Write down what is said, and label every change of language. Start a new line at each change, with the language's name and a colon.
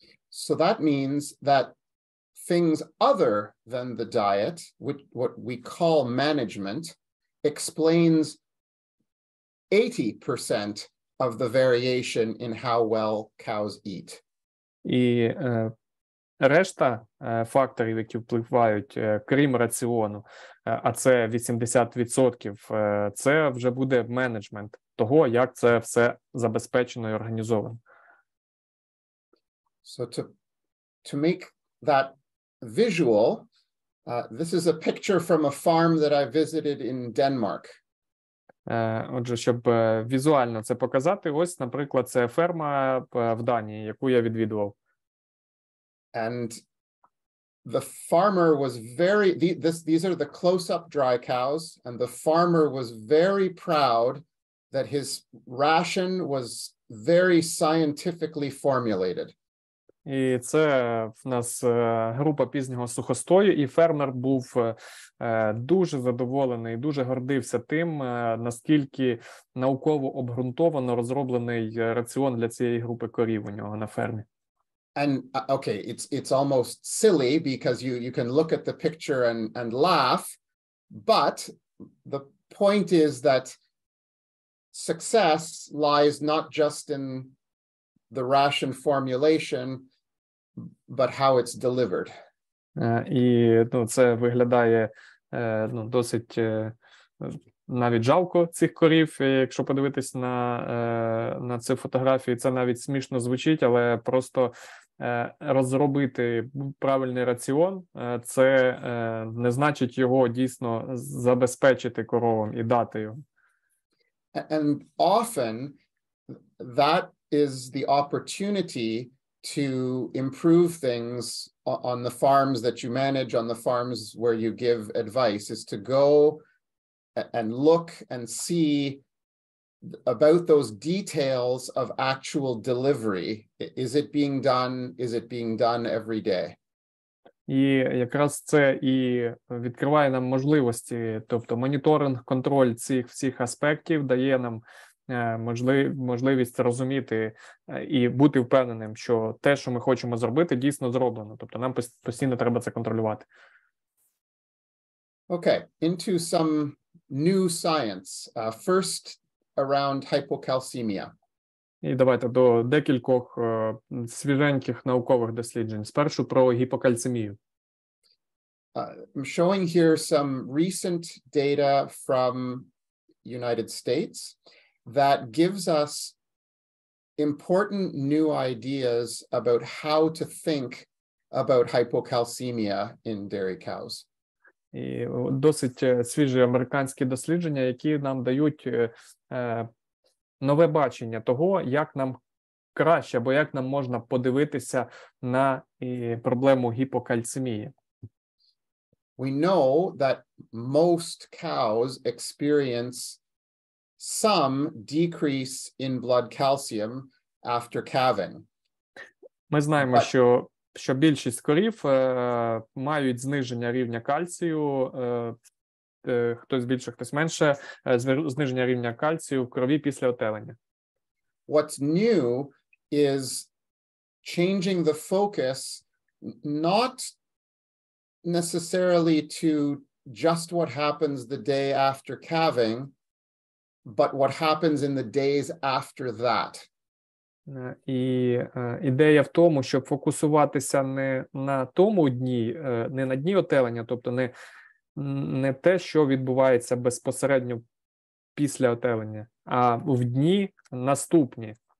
English: So that means that things other than the diet, which what we call management, explains 80% of the variation in how well cows eat.
Ukrainian: І решта факторів, які впливають, крім раціону, а це 80%, це вже буде менеджмент того, як це все забезпечено і організовано.
English: So to make that visual, this is a picture from a farm that I visited in Denmark.
Ukrainian: Отже, щоб візуально це показати, ось, наприклад, це ферма в Данії, яку я відвідував.
English: And the farmer was very, these are the close-up dry cows, and the farmer was very proud that his ration was very scientifically formulated.
Ukrainian: І це в нас група пізнього сухостою, і фермер був дуже задоволений, дуже гордився тим, наскільки науково обґрунтовано розроблений раціон для цієї групи корів у нього на фермі.
English: And okay, it's almost silly because you can look at the picture and laugh, but the point is that success lies not just in the ration formulation, but how it's delivered.
Ukrainian: І ну, це виглядає ну, досить навіть жалко цих корів, якщо подивитись на цю фотографію. Це навіть смішно звучить, але просто розробити правильний раціон, це не значить його дійсно забезпечити коровам і дати їм.
English: And often that is the opportunity to improve things on the farms that you manage, on the farms where you give advice, is to go and look and see about those details of actual delivery. Is it being done? Is it being done every day?
Ukrainian: І якраз це і відкриває нам можливості, тобто моніторинг, контроль цих всіх аспектів дає нам можливість розуміти і бути впевненим, що те, що ми хочемо зробити, дійсно зроблено. Тобто нам постійно треба це контролювати.
English: Okay, into some new science. First, around hypocalcemia.
Ukrainian: І давайте до декількох свіженьких наукових досліджень. Спершу про гіпокальцемію.
English: I'm showing here some recent data from United States that gives us important new ideas about how to think about hypocalcemia in dairy cows.
Ukrainian: І досить свіжі американські дослідження, які нам дають нове бачення того, як нам краще або як нам можна подивитися на проблему гіпокальцемії.
English: We know that most cows experience some decrease in blood calcium after calving.
Ukrainian: Ми знаємо, що більшість корів мають зниження рівня кальцію, хтось більше, хтось менше, зниження рівня кальцію в крові після отелення.
English: What's new is changing the focus not necessarily to just what happens the day after calving, but what happens in the days after that.
Ukrainian: І ідея в тому, щоб фокусуватися не на тому дні, не на дні отелення, тобто не те, що відбувається безпосередньо після отелення, а в дні наступні.